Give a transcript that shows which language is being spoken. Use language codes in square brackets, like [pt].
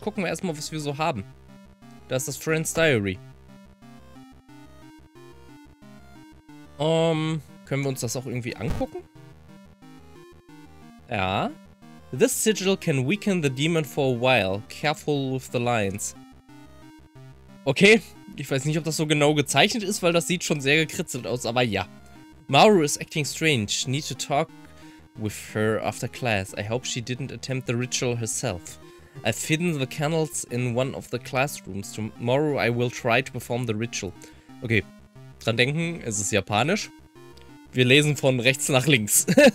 [de] Gucken wir erstmal, was wir so haben. Das ist das Friend's Diary. Können wir uns das auch irgendwie angucken? Ja. [en] This sigil can weaken the demon for a while. Careful with the lines. Okay. [de] Ich weiß nicht, ob das so genau gezeichnet ist, weil das sieht schon sehr gekritzelt aus, aber ja. [en] Maru is acting strange. Need to talk with her after class. I hope she didn't attempt the ritual herself. I've hidden the candles in one of the classrooms. Tomorrow I will try to perform the ritual. [de] Okay. Dran denken, es ist japanisch. Wir lesen von rechts nach links.